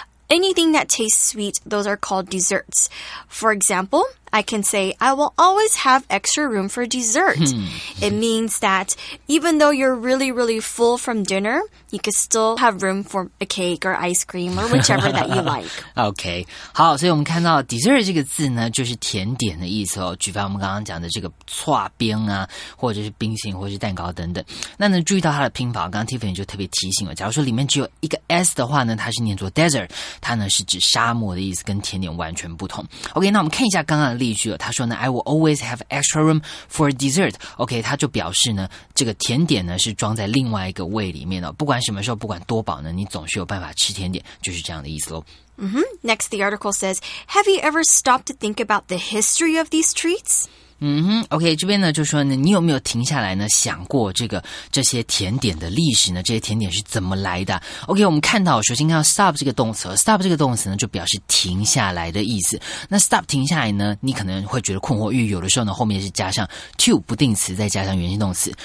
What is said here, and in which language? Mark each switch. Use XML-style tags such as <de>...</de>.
<en>Anything that tastes sweet, those are called desserts. For example, I can say, I will always have extra room for dessert. It means that even though you're really, really full from dinner, you can still have room for a cake or ice cream or whichever that you like.</en> <zh>Okay. 好，所以我们看到 dessert 这个字呢，就是甜点的意思哦。举凡我们刚刚讲的这个刨冰啊，或者是冰淇淋，或者是蛋糕等等。那呢，注意到它的拼法，刚刚 Tiffany 就特别提醒了，假如说里面只有一个 S 的话呢，它是念作 desert， 它呢是指沙漠的意思，跟甜点完全不同。 Okay, 那我们看一下刚刚例句了，他说呢 ，</zh> <en>I will always have extra room for dessert.</en> <zh>OK， 他就表示呢，这个甜点呢是装在另外一个胃里面的，不管什么时候，不管多饱呢，你总是有办法吃甜点，就是这样的意思喽。 Mm-hmm.</zh> <en>Next, the article says, "Have you ever stopped to think about the history of these treats?"</en> <zh>嗯哼 ，OK， 这边呢就说呢，你有没有停下来呢，想过这些甜点的历史呢？这些甜点是怎么来的 ？OK， 我们看到，首先看到 stop 这个动词 ，stop 这个动词呢就表示停下来的意思。那 stop 停下来呢，你可能会觉得困惑，因为有的时候呢后面是加上 to 不定词，再加上原形动词。</zh>